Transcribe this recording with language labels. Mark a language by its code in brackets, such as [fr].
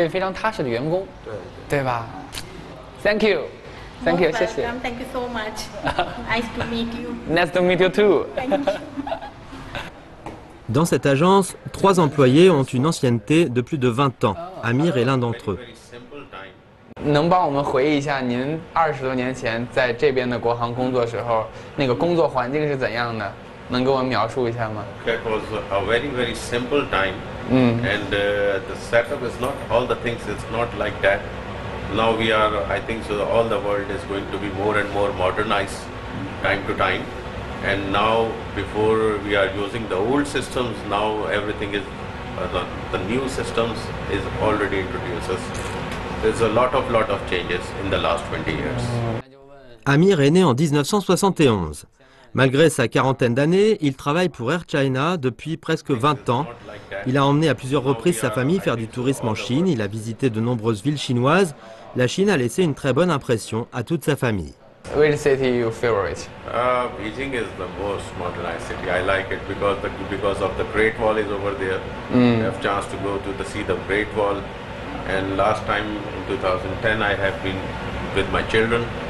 [zh] 他说的太好了，说明国航确实让他有找到这种家的感觉，可以踏踏实实的在这边工作，说明他也是一位非常踏实的员工，对吧？ [en] Thank you, thank you, [zh] 谢谢。 [en] Thank you so much. Nice to meet you. Nice to meet you too. [fr] Dans cette agence, 3 employés ont une ancienneté de plus de 20 ans. Amir est l'un d'entre eux. [zh] 能帮我们回忆一下您20多年前在这边的国航工作时候那个工作环境是怎样的，能给我们描述一下吗？ [en] That was a very very simple time. And the setup is not all the things, it's not like that. Now we are, I think so, all the world is going to be more and more modernized time to time. And now before we are using the old systems, now everything is, the new systems is already introduced us. There's a lot of changes in the last 20 years. [fr] Amir est né en 1971. Malgré sa quarantaine d'années, il travaille pour Air China depuis presque 20 ans. Il a emmené à plusieurs reprises sa famille faire du tourisme en Chine. Il a visité de nombreuses villes chinoises. La Chine a laissé une très bonne impression à toute sa famille. [en] Which city you favorite? Beijing is the most modernized city. I like it because of the Great Wall is over there. I have chance to go to see the Great Wall. And last time in 2010, I have been with my children.